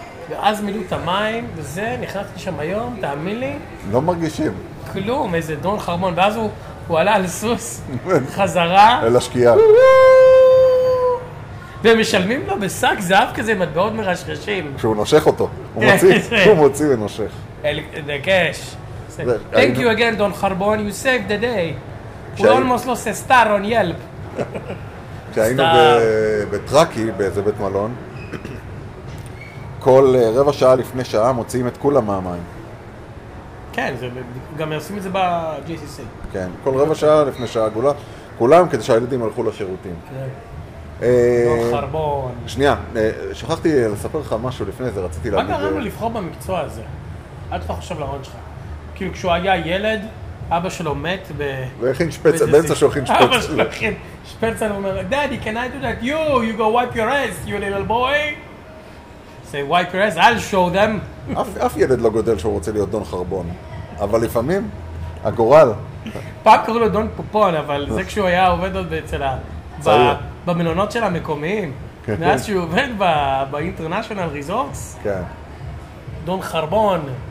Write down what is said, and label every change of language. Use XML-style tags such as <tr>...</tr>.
<he>ואז מילאו את המים, וזה, נכנסתי שם היום, תאמין לי. לא מרגישים. כלום, איזה דון חרמון. ואז הוא עלה על סוס, חזרה. אל השקיעה. והם משלמים לו בסק זהב כזה, מטבעות מרשרשים. שהוא נושך אותו. הוא מוציא, הוא מוציא ונושך. דקש.</he> <en>Thank you again, Don Harbon, you saved the day. We almost lost a star on Yelp.</en> <he>כשהיינו בטראקי, באיזה בית מלון, כל רבע שעה לפני שעה מוציאים את כולם מהמים. כן, גם עושים את זה ב-GCC. כן, כל רבע שעה לפני שעה גולה. כולם כדי שהילדים הלכו לשירותים. כן. דון חרבון. שנייה, שכחתי לספר לך משהו לפני זה, רציתי להגיד... מה גרם לו לבחור במקצוע הזה? עד כבר חושב לרון שלך. כאילו כשהוא היה ילד, אבא שלו מת ב... והכין שפצל, באמצע שהוא הכין שפצל. אבא שלו הכין שפצל, הוא אומר,</he> <en>Daddy, can I do that? You go wipe your ass, you little boy. Say, wipe your ass, I'll show them.</en> <he>אף ילד לא גודל שהוא רוצה להיות דון חרבון. אבל לפעמים, הגורל... פעם קראו לו דון פופון, אבל זה כשהוא היה עובד עוד אצל ה... במלונות של המקומיים. מאז שהוא עובד באינטרנשיונל ריזורטס. כן. דון חרבון.</he>